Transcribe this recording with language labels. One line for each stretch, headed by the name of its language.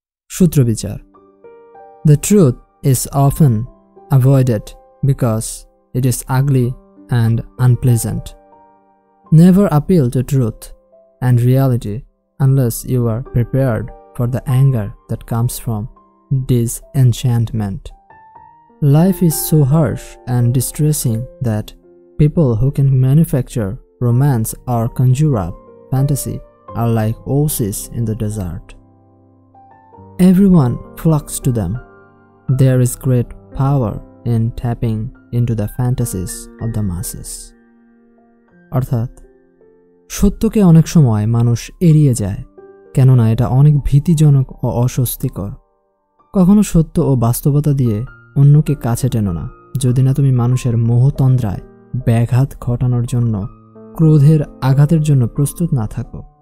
Bangla: সূত্র বিচার,
English: The truth is often avoided because it is ugly and unpleasant. Never appeal to truth and reality unless you are prepared for the anger that comes from disenchantment. Life is so harsh and distressing that people who can manufacture romance or conjure up fantasy are like oases in the desert. Everyone flocks to them. There is great power in tapping into the fantasies of the masses.
Bangla: অর্থাৎ সত্যকে অনেক সময় মানুষ এড়িয়ে যায়, কেননা এটা অনেক ভীতিজনক ও অস্বস্তিকর। কখনো সত্য ও বাস্তবতা দিয়ে অন্যকে কাছে টেনো না, যদি না তুমি মানুষের মোহতন্দ্রায় ব্যাঘাত ঘটানোর জন্য, ক্রোধের আঘাতের জন্য প্রস্তুত না থাকো।